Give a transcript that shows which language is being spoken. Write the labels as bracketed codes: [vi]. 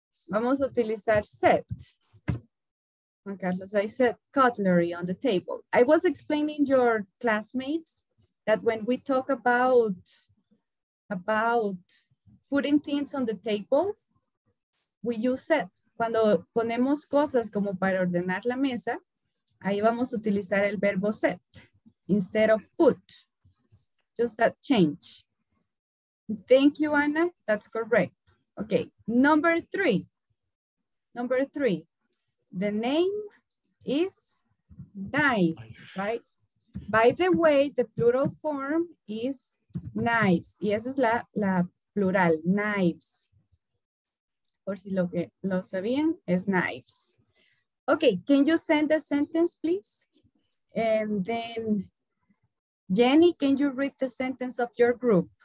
[es] Vamos a utilizar set. [en] Juan Carlos, I said cutlery on the table. I was explaining to your classmates that when we talk about putting things on the table, we use set. [es] Cuando ponemos cosas como para ordenar la mesa, ahí vamos a utilizar el verbo set [en] instead of put. Just that change. Thank you, Ana. That's correct. Okay, number three. The name is knives, right? By the way, the plural form is knives. [es] Y esa es la plural, knives. Por si lo sabían, es knives. [en] Okay, can you send the sentence, please? And then, Jenny, can you read the sentence of your group?